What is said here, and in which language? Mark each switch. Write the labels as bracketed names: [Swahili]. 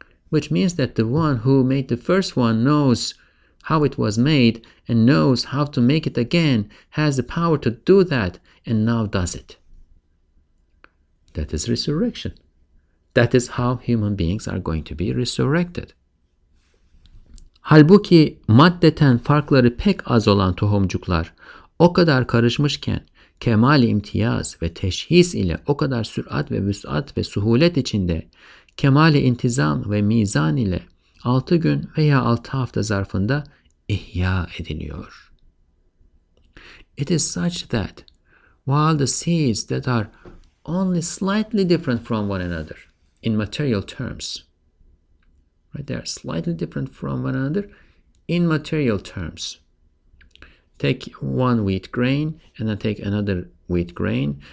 [English] Which means that the one who made the first one knows how it was made and knows how to make it again, has the power to do that, and now does it. That is resurrection. That is how human beings are going to be resurrected. [Turkish] Halbuki maddeten farkları pek az olan tohumcuklar o kadar karışmışken, kemal-i imtiyaz ve teşhis ile o kadar sürat ve vüsat ve suhulet içinde, kemal-i intizam ve mizan ile 6 gün veya 6 hafta zarfında ihya ediliyor. [English] It is such that while the seeds that are only slightly different from one another in material terms, right, they are slightly different from one another in material terms. Take one wheat grain and then take another wheat grain.